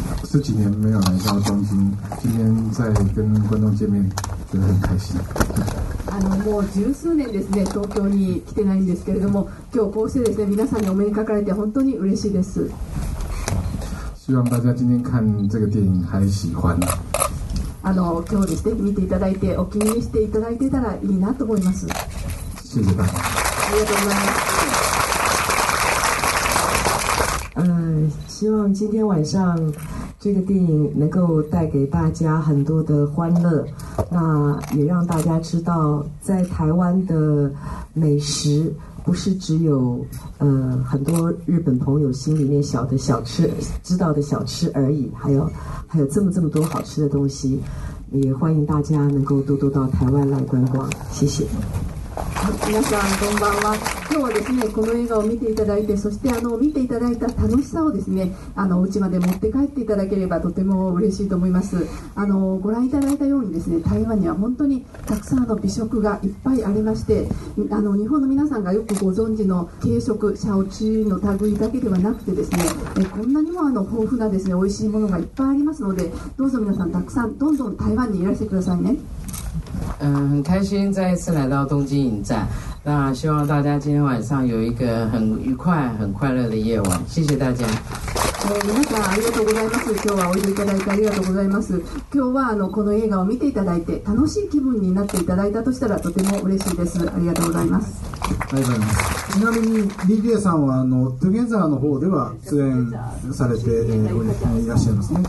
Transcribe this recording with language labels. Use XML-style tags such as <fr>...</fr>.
<zh>十几年没有来到东京，今天再跟观众见面，觉得很开心。</zh> <ja>もう十数年ですね、東京に来てないんですけれども、今日こうしてですね、皆さんにお目にかかれて本当に嬉しいです。</ja> <zh>希望大家今天看这个电影还喜欢。</zh> <ja>今日ですね、見ていただいてお気に入りしていただいてたらいいなと思います。</ja> <zh>谢谢大家。</zh> <ja>ありがとうございます。</ja> <zh>希望今天晚上这个电影能够带给大家很多的欢乐，那也让大家知道在台湾的美食不是只有很多日本朋友心里面小的小吃知道的小吃而已，还有这么多好吃的东西，也欢迎大家能够多多到台湾来观光，谢谢。</zh> <ja>皆さんこんばんは。今日はですねこの映画を見ていただいて、そして見ていただいた楽しさをですねお家まで持って帰っていただければとても嬉しいと思います。ご覧いただいたようにですね、台湾には本当にたくさんの美食がいっぱいありまして、日本の皆さんがよくご存知の軽食シャオチューの類だけではなくてですね、こんなにも豊富なですね美味しいものがいっぱいありますので、どうぞ皆さんたくさんどんどん台湾にいらしてくださいね。</ja> <zh>很开心再一次来到东京影展，那希望大家今天晚上有一个很愉快很快乐的夜晚，谢谢大家。</zh> <ja>皆さんありがとうございます。今日はおいでいただいてありがとうございます。今日はこの映画を見ていただいて楽しい気分になっていただいたとしたらとても嬉しいです。ありがとうございます。ありがとうございます。ちなみにリリアさんはトゥゲザーの方では出演されていらっしゃいますね。</ja>